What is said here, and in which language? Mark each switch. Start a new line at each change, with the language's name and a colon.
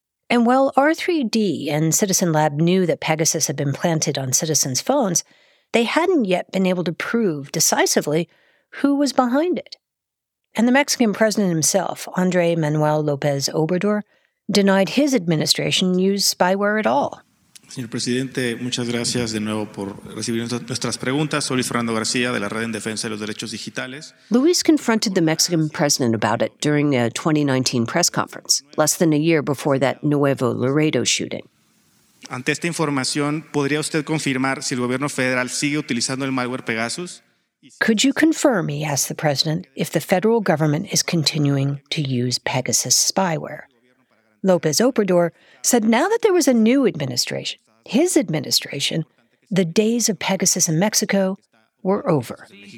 English: And while R3D and Citizen Lab knew that Pegasus had been planted on citizens' phones, they hadn't yet been able to prove decisively who was behind it. And the Mexican president himself, Andrés Manuel López Obrador, denied his administration used spyware at all.
Spanish: Señor presidente, muchas gracias de nuevo por recibir nuestras preguntas. Soy Luis Fernando García de la Red en Defensa de los Derechos Digitales.
English: Luis confronted the Mexican president about it during a 2019 press conference, less than a year before that Nuevo Laredo shooting.
Spanish: Ante esta información, ¿podría usted confirmar si el gobierno federal sigue utilizando el malware Pegasus?
English: Could you confirm, he asked the president, if the federal government is continuing to use Pegasus spyware? López Obrador said now that there was a new administration, his administration, the days of Pegasus in Mexico were over.